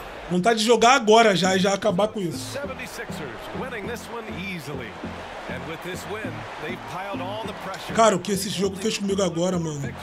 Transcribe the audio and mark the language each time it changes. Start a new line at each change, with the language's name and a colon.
Portuguese: Vontade de jogar agora já e já acabar com isso.
English: 76ers winning this one easily. And with this win, they piled all the pressure.
Portuguese: Cara, o que esse jogo fez comigo agora, mano?